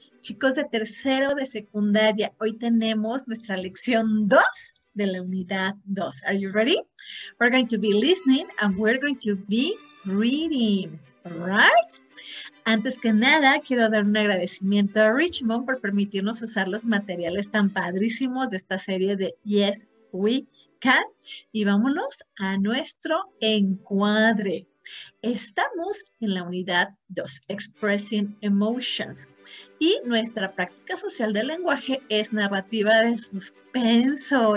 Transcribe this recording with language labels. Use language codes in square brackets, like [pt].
[es] Chicos de tercero de secundaria, hoy tenemos nuestra lección 2 de la unidad 2. [en] Are you ready? We're going to be listening and we're going to be reading, right? [es] Antes que nada, quiero dar un agradecimiento a Richmond por permitirnos usar los materiales tan padrísimos de esta serie de Yes, We Can. Y vámonos a nuestro encuadre. Estamos en la unidad 2, Expressing Emotions, y nuestra práctica social del lenguaje es narrativa de suspenso.